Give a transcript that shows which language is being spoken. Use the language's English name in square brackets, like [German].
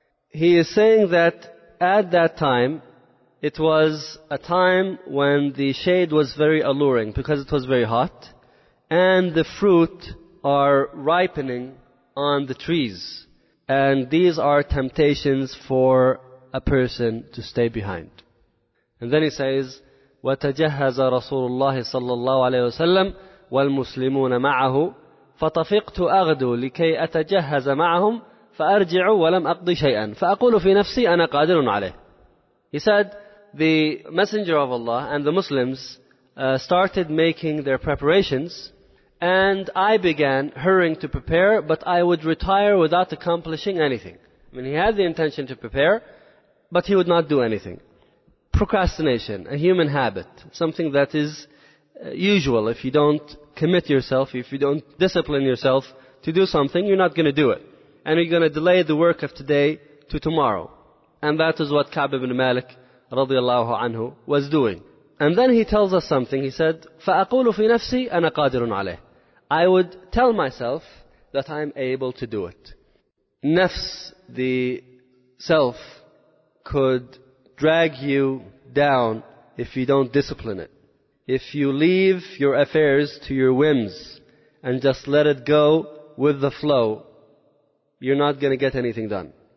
[English] He is saying that at that time, it was a time when the shade was very alluring because it was very hot, and the fruit are ripening on the trees. And these are temptations for a person to stay behind. And then he says, [Arabic] وَتَجَهَّزَ رَسُولُ اللَّهِ صَلَّى اللَّهُ عَلَيْهِ وَسَلَّمُ وَالْمُسْلِمُونَ مَعَهُ فَطَفِقْتُ أَغْدُو لِكَيْ أَتَجَهَّزَ مَعَهُمْ فَأَرْجِعُ وَلَمْ أَقْضِ شَيْئًا فَأَقُولُ فِي نَفْسِي أَنَا قَادِرٌ عَلَيْهِ. [English] He said, the Messenger of Allah and the Muslims started making their preparations, and I began hurrying to prepare, but I would retire without accomplishing anything. I mean, he had the intention to prepare, but he would not do anything. Procrastination, a human habit, something that is usual, if you don't commit yourself, if you don't discipline yourself to do something, you're not going to do it. And you're going to delay the work of today to tomorrow. And that is what Ka'b ibn Malik, radiallahu anhu, was doing. And then he tells us something. He said, [Arabic] فَأَقُولُ فِي نَفْسِي أَنَا قَادِرٌ عَلَيْهِ. [English] I would tell myself that I'm able to do it. Nafs, the self, could drag you down if you don't discipline it. If you leave your affairs to your whims and just let it go with the flow, you're not going to get anything done.